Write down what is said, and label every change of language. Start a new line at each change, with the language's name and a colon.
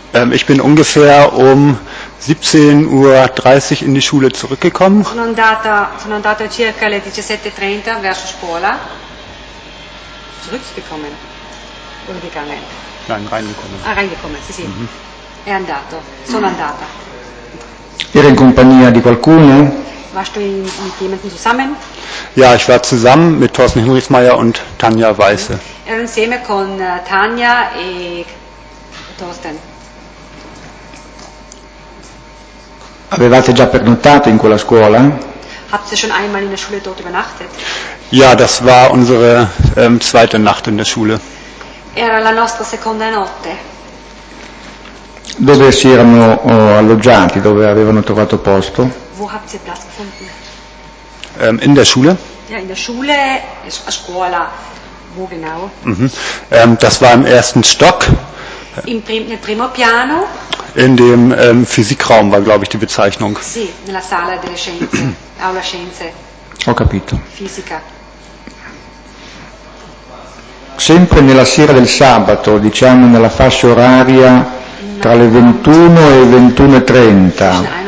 German: Ich bin ungefähr um 17.30 Uhr in die Schule zurückgekommen.
Italian: Sono andata circa le 17.30 verso scuola.
German: Zurückgekommen. Oder gegangen? Nein, reingekommen.
Italian: Ah,
German: reingekommen,
Italian: sì, sì. È andato. Sono andata. Era in compagnia di qualcuno?
German: Warst du mit jemandem zusammen? Ja, ich war zusammen mit Thorsten Hinrichsmeier und Tanja Weiße.
Italian: Ero insieme con Tanja e Thorsten. Avevate già pernottato in quella scuola?
German: Habt ihr schon einmal in der Schule dort übernachtet? Ja, das war unsere zweite Nacht in der Schule.
Italian: Era la nostra seconda notte. Dove si erano alloggiati, dove avevano trovato posto?
German: Wo habt ihr Platz gefunden? In der Schule. Ja, in der Schule,
Italian: a scuola.
German: Wo genau? Mm-hmm. Das war im ersten Stock.
Italian: Nel primo piano.
German: In dem Physikraum war, glaube ich, die Bezeichnung.
Italian: Sì, nella sala delle scienze, aula scienze. Ho capito. Fisica. Sempre nella sera del sabato, diciamo nella fascia oraria tra le 21 e 21.30.